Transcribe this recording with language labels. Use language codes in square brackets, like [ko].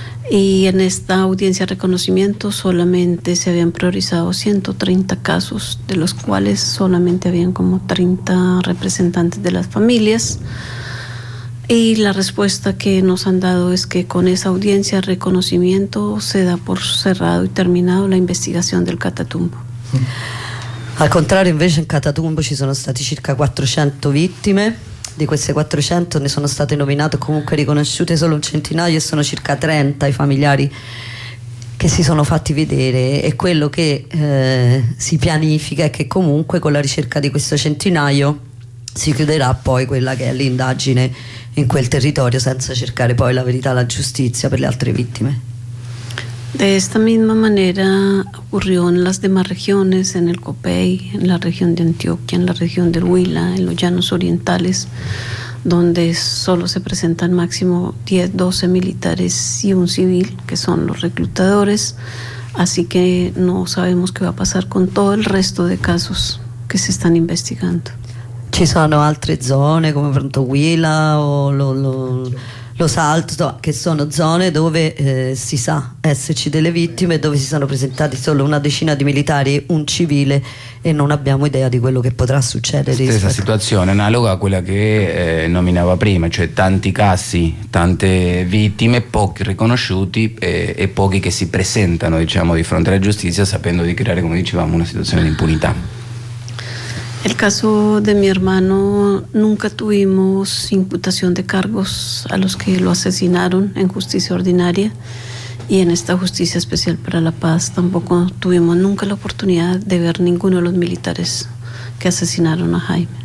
[es] Y en esta audiencia de reconocimiento solamente se habían priorizado 130 casos, de los cuales solamente habían como 30 representantes de las familias. Y la respuesta que nos han dado es que con esa audiencia de reconocimiento se da por cerrado y terminado la investigación del Catatumbo. [it] Al contrario, invece, en Catatumbo ci sono stati circa 400 vittime. Di queste 400 ne sono state nominate, comunque riconosciute, solo un centinaio, e sono circa 30 i familiari che si sono fatti vedere. E quello che si pianifica è che comunque con la ricerca di questo centinaio si chiuderà poi quella che è l'indagine in quel territorio, senza cercare poi la verità, la giustizia per le altre vittime. [es] De esta misma manera ocurrió en las demás regiones, en el Copey, en la región de Antioquia, en la región del Huila, en los Llanos Orientales, donde solo se presentan máximo 10, 12 militares y un civil, que son los reclutadores. Así que no sabemos qué va a pasar con todo el resto de casos que se están investigando. [it] ¿Ci sono altre zone come pronto Huila o Lo Salto, che sono zone dove si sa esserci delle vittime, dove si sono presentati solo una decina di militari, un civile, e non abbiamo idea di quello che potrà succedere? Stessa rispetto. Situazione analoga a quella che nominava prima, cioè tanti casi, tante vittime, pochi riconosciuti e pochi che si presentano, diciamo, di fronte alla giustizia, sapendo di creare, come dicevamo, una situazione di impunità. [es] El caso de mi hermano, nunca tuvimos imputación de cargos a los que lo asesinaron en justicia ordinaria, y en esta justicia especial para la paz tampoco tuvimos nunca la oportunidad de ver ninguno de los militares que asesinaron a Jaime.